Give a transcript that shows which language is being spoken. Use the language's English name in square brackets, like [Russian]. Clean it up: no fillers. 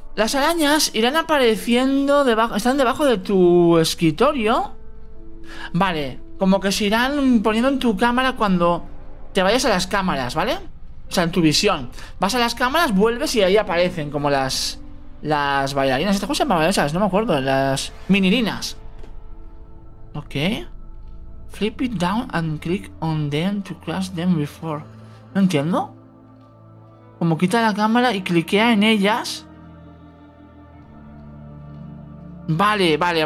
[Spanish] Las arañas irán apareciendo debajo, están debajo de tu escritorio. Vale, como que se irán poniendo en tu cámara cuando te vayas a las cámaras, ¿vale? O sea, en tu visión. Vas a las cámaras, vuelves y ahí aparecen como las bailarinas. Estas cosas se llaman bailarinas, no me acuerdo. Las minirinas. [English] Ok. Flip it down and click on them to crush them before. [Spanish] No entiendo. Como quita la cámara y cliquea en ellas. Vale.